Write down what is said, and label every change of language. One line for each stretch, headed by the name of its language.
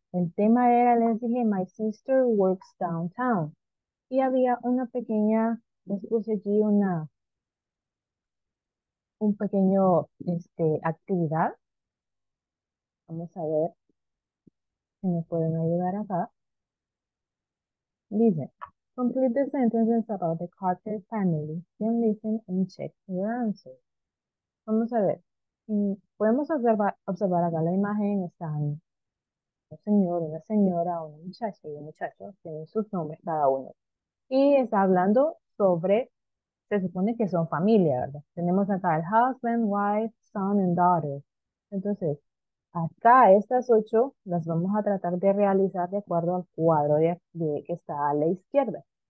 Spanish: El tema era, les dije,
English: My sister works downtown.
Spanish: Y había una pequeña, les puse aquí un pequeño, actividad. Vamos a ver si me pueden ayudar acá. Dice,
English: Complete the sentences about the Carter family. Then listen and check your answer.
Spanish: Vamos a ver. Podemos observar acá la imagen, están un señor, una señora, una muchacha y un muchacho, tienen sus nombres cada uno. Y está hablando sobre, se supone que son familia, ¿verdad? Tenemos acá el
English: husband, wife, son and daughter.
Spanish: Entonces, acá estas ocho las vamos a tratar de realizar de acuerdo al cuadro de que está a la izquierda.